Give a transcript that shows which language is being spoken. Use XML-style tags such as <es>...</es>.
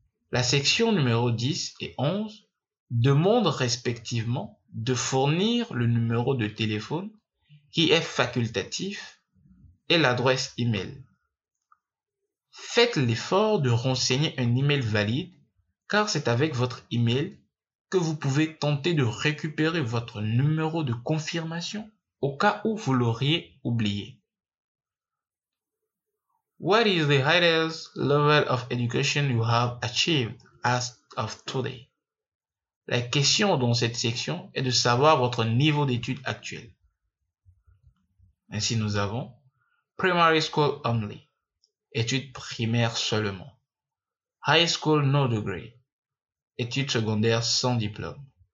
<fr>La section numéro 10 et 11 demandent respectivement de fournir le numéro de téléphone qui est facultatif et l'adresse email. Faites l'effort de renseigner un email valide car c'est avec votre email que vous pouvez tenter de récupérer votre numéro de confirmation au cas où vous l'auriez oublié.</fr> <en>What is the highest level of education you have achieved as of today?</en> <fr>La question dans cette section est de savoir votre niveau d'études actuel. Ainsi nous avons</fr> <en>Primary School only,</en> <fr>études primaires seulement.</fr> <en>High School no degree.</en> <fr>Études secondaires sans diplôme.</fr>